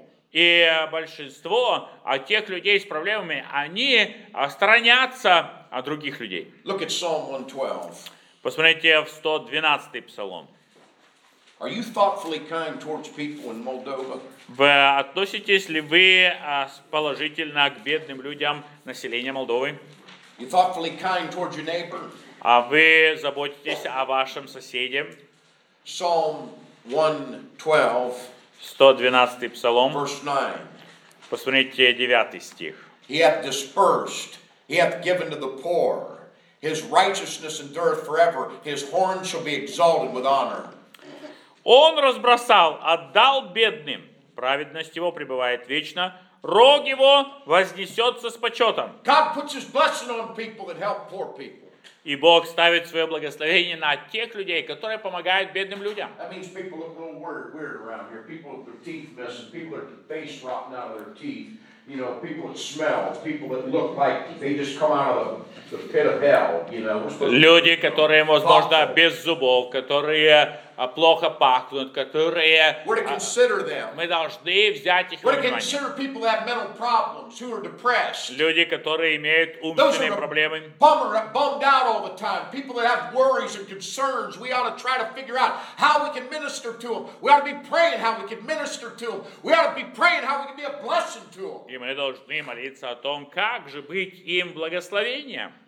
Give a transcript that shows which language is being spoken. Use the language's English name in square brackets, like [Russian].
[Russian] И большинство тех людей с проблемами, они сторонятся от других людей. [English] Look at Psalm 112. [Russian] Посмотрите в 112-й псалом. [English] Are you thoughtfully kind towards people in Moldova? [Russian] Вы относитесь ли вы положительно к бедным людям населения Молдовы? [English] You thoughtfully kind towards your neighbor? [Russian] А вы заботитесь о вашем соседе? [English] Psalm 112. [Russian] 112-й псалом. [English] Verse 9. [Russian] Посмотрите 9-й стих. [English] He hath dispersed, he hath given to the poor. His righteousness endureth forever. His horn shall be exalted with honor. [Russian] Он разбросал, отдал бедным. Праведность его пребывает вечно. Рог его вознесется с почетом. [English] God puts his blessing on people that help poor people. [Russian] И Бог ставит свое благословение на тех людей, которые помогают бедным людям. [English] That means people look a little weird around here. People with their teeth missing. People with their face rotten out of their teeth. You know, people that smell, people that look like they just come out of the pit of hell. You know, [Russian] люди, которые, возможно, без зубов, которые плохо пахнут, которые. [English] We're to consider them. [Russian] Мы должны взять их во внимание. [English] We're to consider people that have mental problems, who are depressed. [Russian] Люди, которые имеют умственные проблемы. [English] Bummer, bummed out all the time. People that have worries and concerns. We ought to try to figure out how we can minister to them. We ought to be praying how we can minister to them. We ought to be praying how we can be a blessing to them. [Russian] И мы должны молиться о том, как же быть им благословением.